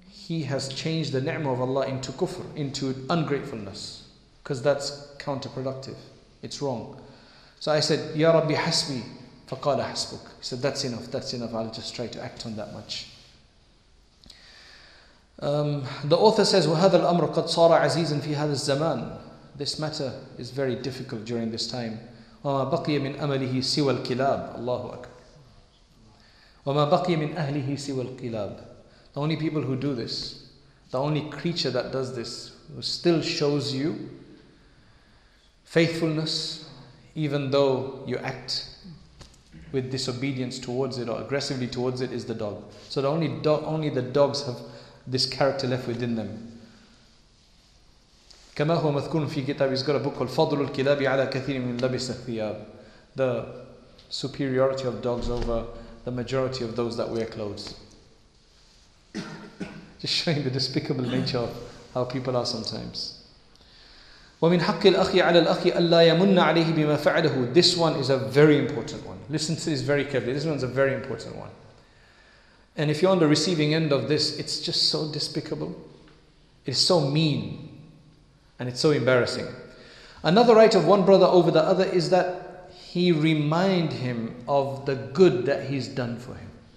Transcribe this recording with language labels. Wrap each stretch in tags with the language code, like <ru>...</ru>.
<en>he has changed the ni'mah of Allah into kufr, into ungratefulness. Because that's counterproductive. It's wrong. So I said,</en> <ar>Ya Rabbi Hasbi, faqala Hasbuk.</ar> <en>He said, that's enough. I'll just try to act on that much.</en> <ar>The author says, وَهَذَا الْأَمْرُ قَدْ صَارَ عَزِيزًا فِي هَذَا الزَّمَانِ.</ar> <en>This matter is very difficult during this time.</en> <ar>وَمَا بَقِيَ مِنْ أَمَلِهِ سِوَى الْكِلَابِ. Allahu Akbar. وَمَا بَقِيَ مِنْ أَهْلِهِ سِوَى الْكِلَابِ.</ar> <en>The only people who do this, the only creature that does this, who still shows you faithfulness, even though you act with disobedience towards it or aggressively towards it, is the dog. So the only dogs have this character left within them.</en> <ar>كما هو مذكور في كتاب.</ar> <en>He's got a book called</en> <ar>فضل الكلاب على كثير من لبس الثياب.</ar> <en>The superiority of dogs over the majority of those that wear clothes. Just showing the despicable nature of how people are sometimes.</en> <ar>ومن حق الأخي على الأخي ألا يمن عليه بما فعله.</ar> <en>This one is a very important one. Listen to this very carefully. This one's a very important one. And if you're on the receiving end of this, it's just so despicable. It's so mean. And it's so embarrassing. Another right of one brother over the other is that he remind him of the good that he's done for him.</en>